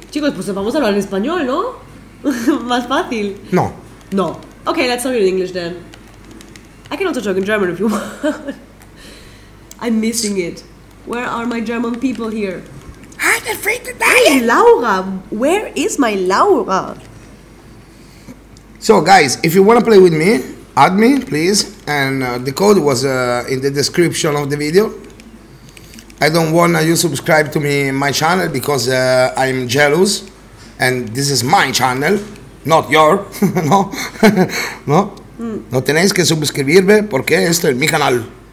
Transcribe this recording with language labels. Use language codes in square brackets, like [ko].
[es] Chicos, pues vamos a hablar en español, ¿no? Más fácil. No. [en] No. Ok, let's talk in English, then. I can also talk in German if you want. I'm missing it. Where are my German people here? I'm afraid to die! Laura! Where is my Laura? So guys, if you wanna play with me, add me, please. And the code was in the description of the video. I don't wanna you subscribe to me, my channel, because I'm jealous. And this is my channel, not your. No? No? [es] No tenéis que suscribirme porque esto es mi canal.